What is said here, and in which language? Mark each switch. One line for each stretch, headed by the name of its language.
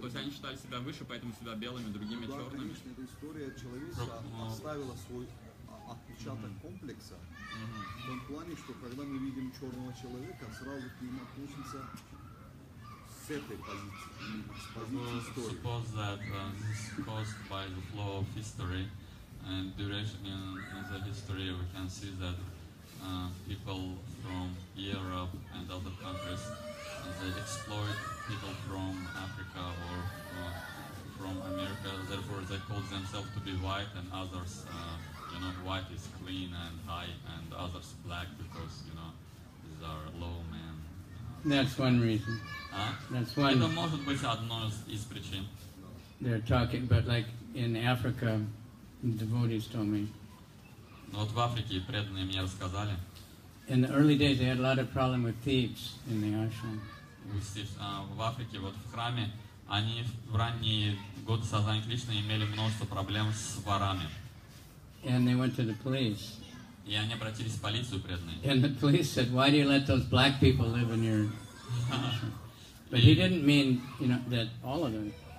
Russian: То есть они считали себя выше, поэтому себя белыми, другими да, черными? Конечно, эта история человечества оставила свой отпечаток комплекса. В том плане, что когда мы видим черного человека, сразу к нему относимся с этой позиции, с позиции истории.
English: Suppose that this is caused by the flow of history and duration in the history, we can see that people from Europe and other countries, they exploit people from Africa or from America, therefore they call themselves to be white and others you know, white is clean and high, and others black because, you know, these are low men. That's one reason. That's one.
Russian: Это может быть одной из причин.
English: They're talking, but like in Africa, devotees told me.
Russian: Но вот в Африке преданные мне рассказали.
English: In the early days, they had a lot of problem with thieves in the ashram.
Russian: В Африке, вот в храме, они в ранние годы сознания Кришны имели множество проблем с ворами.
English: And they went to the police.
Russian: И они обратились в полицию, преданные.
English: And the police said, "Why do you let those black people live in your ashram?" But he didn't mean, you know, that all of them.